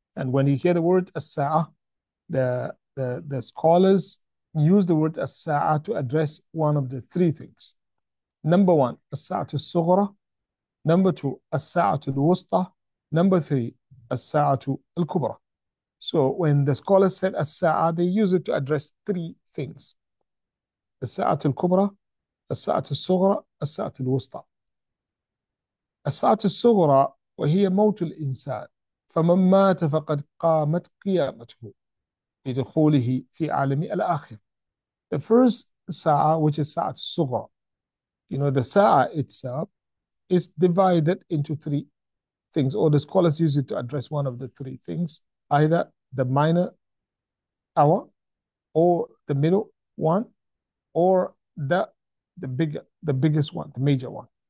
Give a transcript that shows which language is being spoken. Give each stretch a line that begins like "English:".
English: And when you hear the word As-Sa'ah, the scholars use the word As-Sa'ah to address one of the three things. Number one, الساعة الصغرى. Number two, الساعة الوسطى. Number three, الساعة الكبرى. So when the scholars said الساعة, they use it to address three things.
Arabic: الساعة الكبرى, الساعة الصغرى, الساعة الوسطى. الساعة الصغرى وهي موت الإنسان. فمن مات فقد قامت قيامته لدخوله في عالم الآخر.
English: The first ساعة, which is الساعة الصغرى. You know, the sa'a itself is divided into three things, or the scholars use it to address one of the three things, either the minor hour, or the middle one, or the biggest one, the major one.